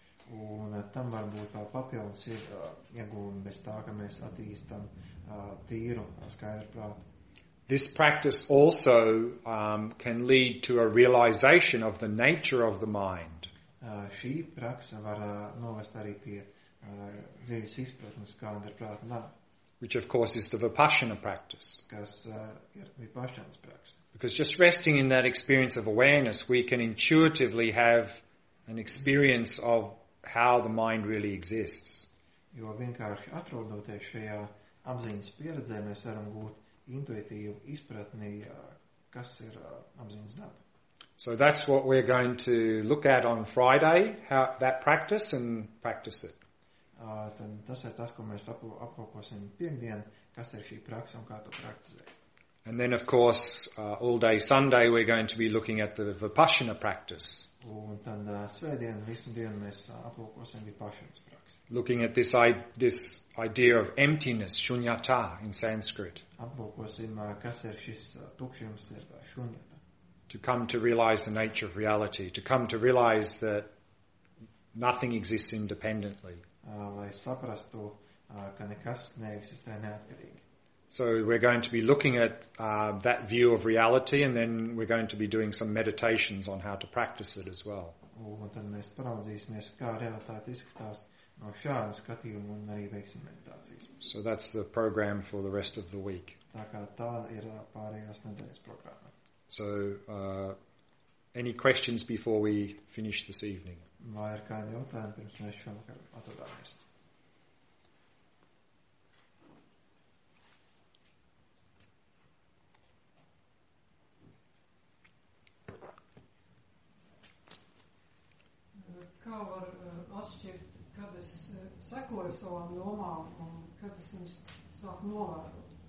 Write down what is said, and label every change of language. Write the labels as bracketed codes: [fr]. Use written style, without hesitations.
[lv] Un tam var būt vēl papildus iegūmi bez tā, ka mēs attīstam tīru, skaidru prātu. [en] This practice also can lead to a realization of the nature of the mind. [lv] Šī praksa var novest arī pie dzīves izpratnes, kāda ir prāta nāk. [en] Which of course is the Vipassana practice. [lv] Kas ir Vipassanas praksa. [en] Because just resting in that experience of awareness, we can intuitively have an experience of how the mind really exists. [lv] Jo vienkārši atrodoties šajā apziņas pieredzē, mēs varam būt intuitīvi izpratni, kas ir apziņas daba. [en] So that's what we're going to look at on Friday, how that practice and practice it. [lv] Tad tas ir tas, ko mēs aplūkosim piekdien, kas ir šī praksa un kā to praktizēt. [en] And then of course all day Sunday we're going to be looking at the Vipassana practice. [lv] Un tad svētdien visu dienu mēs aplūkosim Vipassanas praksi. [en] Looking at this idea of emptiness, shunyata in Sanskrit. [lv] Aplūkosim, kas ir šis tukšums, ir shunyata. [en] To come to realize the nature of reality, to come to realize that nothing exists independently. [lv] Lai saprastu, ka nekas neeksistē neatkarīgi. [en] So we're going to be looking at that view of reality and then we're going to be doing some meditations on how to practice it as well. [lv] Un tad mēs paraudzīsimies, kā realitāte izskatās no šāda skatījuma un arī veiksim meditācijas. [en] So that's the program for the rest of the week. [lv] Tā kā tā ir pārējās nedēļas programma. [en] So any questions before we finish this evening? [lv] Vai ir kādi jautājumi pirms mēs šonakar atrodāmies? Kā var atšķirt, kad es sekoju savām domām un kad es viņus sāku novērot?